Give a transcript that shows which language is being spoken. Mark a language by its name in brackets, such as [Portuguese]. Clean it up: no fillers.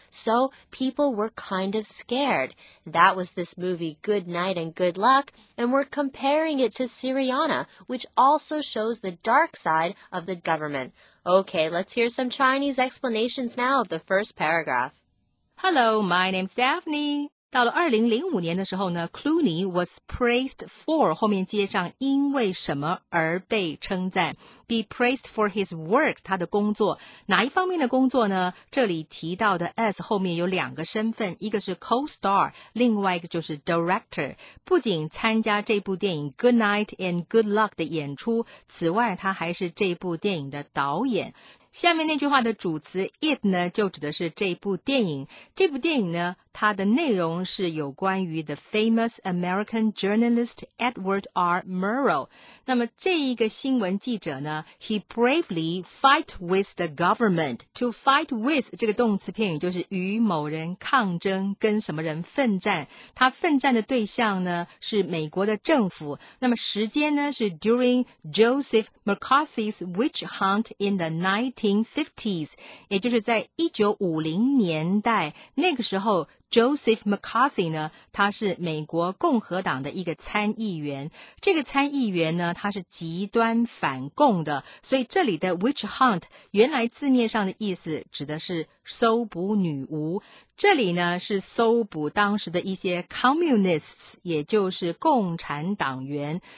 [English] So people were kind of scared. That was this movie Good Night and Good Luck, and we're comparing it to Syriana, which also shows the dark side of the government. Okay, let's hear some Chinese explanations now of the first paragraph. Hello, my name's Daphne. [Chinese] 到了2005年的时候呢 , [English] Clooney was praised for, [Chinese] 后面接上因为什么而被称赞 , [English] be praised for his work, [Chinese] 他的工作。哪一方面的工作呢？这里提到的 as 后面有两个身份，一个是 co-star, 另外一个就是 director。不仅参加这部电影 Good Night and Good Luck 的演出，此外他还是这部电影的导演。下面那句话的主词 it 呢，就指的是这部电影。这部电影呢，它的内容是有关于 [English] the famous American journalist [Chinese] Edward R. Murrow。那么这一个新闻记者呢 ， [English] he bravely fight with the government。 to fight with [Chinese] 这个动词片语就是与某人抗争，跟什么人奋战。他奋战的对象呢是美国的政府。那么时间呢是 [English] during Joseph McCarthy's witch hunt in the 1950s， [Chinese] 也就是在1950年代那个时候。 Joseph McCarthy 呢，他是美国共和党的一个参议员。这个参议员呢，他是极端反共的，所以这里的 witch hunt 原来字面上的意思指的是搜捕女巫，这里呢是搜捕当时的一些 communists， 也就是共产党员。